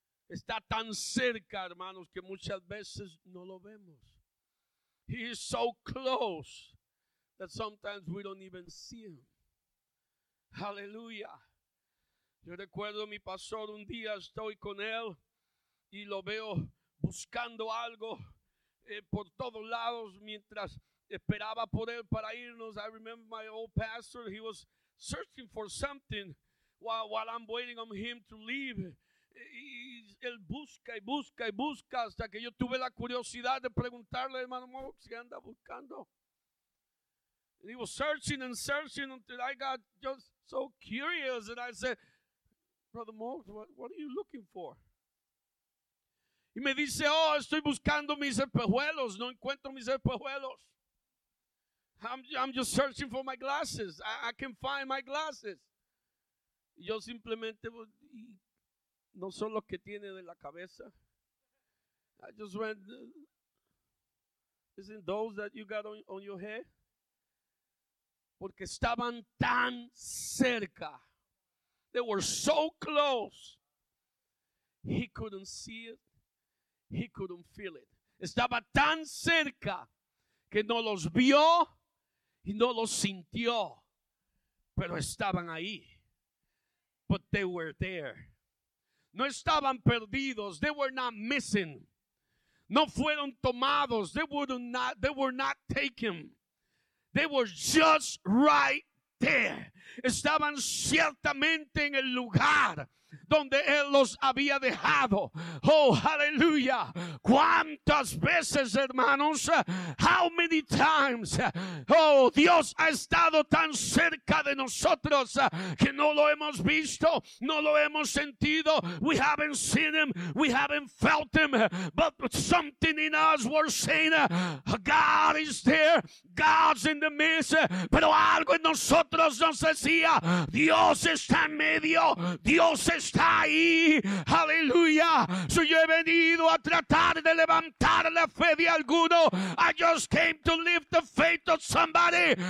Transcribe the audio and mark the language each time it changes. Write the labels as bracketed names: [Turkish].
[Spanish] Está tan cerca, hermanos, que muchas veces no lo vemos. [English] He is so close that sometimes we don't even see Him. Hallelujah. [Spanish] Yo recuerdo mi pastor, un día estoy con él y lo veo buscando algo por todos lados mientras esperaba por él para irnos. [English] I remember my old pastor, he was searching for something while I'm waiting on him to leave. [Spanish] Y él busca y busca y busca hasta que yo tuve la curiosidad de preguntarle, hermano Mox, ¿qué anda buscando? [English] And he was searching and searching until I got just so curious and I said, Brother Mox, what are you looking for? [Spanish] Y me dice, oh, estoy buscando mis espejuelos. No encuentro mis espejuelos. [English] I'm just searching for my glasses. I can find my glasses. [Spanish] Yo simplemente, no son los que tiene de la cabeza. [English] I just went, isn't those that you got on your head? [Spanish] Porque estaban tan cerca. [English] They were so close. He couldn't see it. He couldn't feel it. [Spanish] Estaba tan cerca que no los vio y no los sintió. Pero estaban ahí. [English] But they were there. [Spanish] No estaban perdidos. [English] They were not missing. [Spanish] No fueron tomados. [English] They were not taken. They were just right there. [Spanish] Estaban ciertamente en el lugar donde Él los había dejado. [English] Oh, hallelujah. [Spanish] ¿Cuántas veces, hermanos? [English] How many times? [Spanish] Oh, Dios ha estado tan cerca de nosotros que no lo hemos visto, no lo hemos sentido. [English] We haven't seen Him, we haven't felt Him, but something in us was saying, God is there, God's in the midst. [Spanish] Pero algo en nosotros nos decía, Dios está en medio, Dios está ahí. [English] Hallelujah. So [Spanish] yo he venido a tratar de levantar la fe de alguno. [English] I just came to lift the faith of somebody.